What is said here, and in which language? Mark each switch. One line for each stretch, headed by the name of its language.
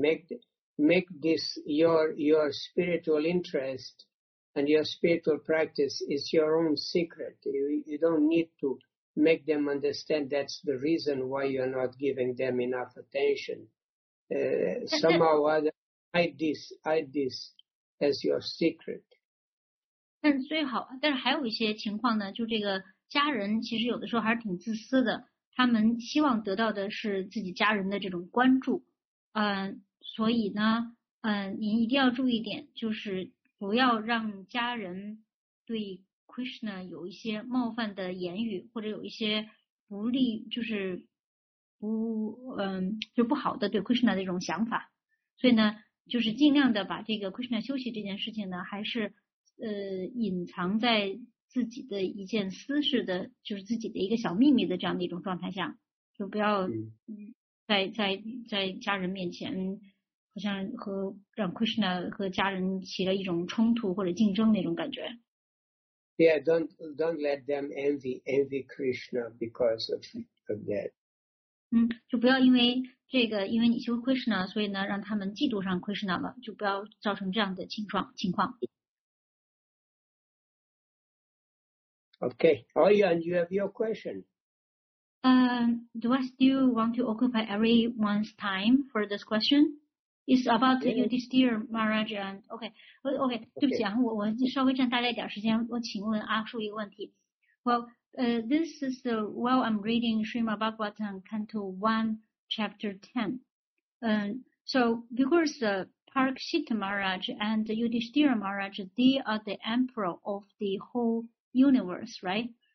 English: Make this your spiritual interest and your spiritual practice is your own secret. You don't need to make them understand that's the reason why you're not giving them enough attention. Somehow or other, hide this as your secret.
Chinese: 但最好，但是还有一些情况呢，就这个家人其实有的时候还是挺自私的，他们希望得到的是自己家人的这种关注，所以呢，您一定要注意点，就是不要让家人对 Krishna 有一些冒犯的言语，或者有一些不利，就是不，就不好的对 Krishna 的这种想法，所以呢，就是尽量的把这个 Krishna 休息这件事情呢，还是。隐藏在自己的一件私事的，就是自己的一个小秘密的这样的一种状态下，就不要在家人面前，好像和让 Krishna 和家人起了一种冲突或者竞争那种感觉。
English: Yeah, don't let them envy Krishna because of that.
Chinese: 就不要因为这个，因为你修 Krishna，所以呢让他们嫉妒上 Krishna 了，就不要造成这样的情况。
English: Okay, oh yeah, and you have your question. Do I still want to occupy everyone's time for this question? It's about Yudhisthira Maharaj and okay.
Chinese: 对不起啊，我稍微占大家一点时间，我请问阿叔一个问题。
English: Well, this is the while I'm reading Srimad Bhagavatam Canto 1, Chapter 10. So because Parikshita Maharaj and Yudhisthira Maharaj, they are the emperor of the whole universe, right?